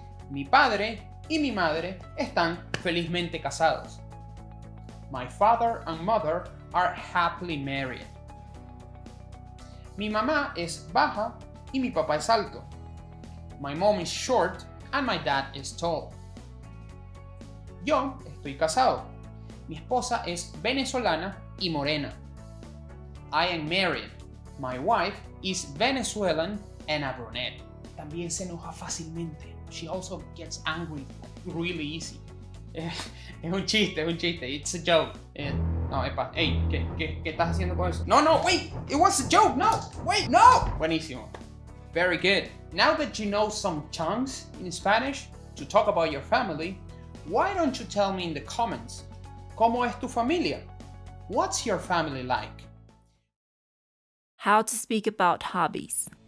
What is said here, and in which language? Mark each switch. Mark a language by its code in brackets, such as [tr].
[es] Mi padre y mi madre están felizmente casados. [en] My father and mother are happily married. [es] Mi mamá es baja y mi papá es alto. [en] My mom is short and my dad is tall. [es] Yo estoy casado. Mi esposa es venezolana y morena. [en] I am married. My wife is Venezuelan and a brunette. [es] También se enoja fácilmente. [en] She also gets angry really easy. [es] Es un chiste, es un chiste. [en] It's a joke. [es] No, epa. Hey, ¿qué estás haciendo con eso? No, no, wait. [en] It was a joke. No, wait, no. Buenísimo. Very good. Now that you know some chunks in Spanish to talk about your family, why don't you tell me in the comments, [es] ¿cómo es tu familia? [en] What's your family like? How to speak about hobbies.